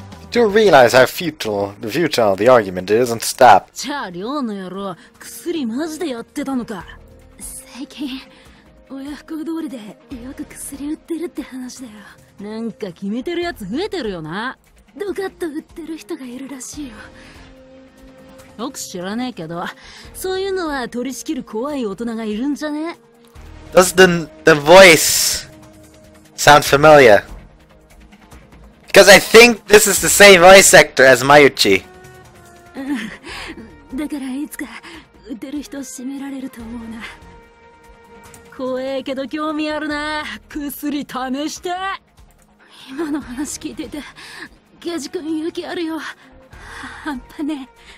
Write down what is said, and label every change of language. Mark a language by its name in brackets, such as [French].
[English] Do realize how futile the argument is and stop. [Japanese] じゃあ寮の野郎、薬マジでやってたのか。最近親不孝通りでよく薬売ってるって話だよ。なんか決めてるやつ増えてるよな。ドカッと売ってる人がいるらしいよ。よく知らねえけど、そういうのは取り仕切る怖い大人がいるんじゃね。 [English] Does the voice sound familiar? Because I think this is the same voice actor as Mayuchi. [Japanese] だからいつか売ってる人を締められると思うな。怖えけど興味あるな。薬試して。今の話聞いてて、ケジ君勇気あるよ。半端ね。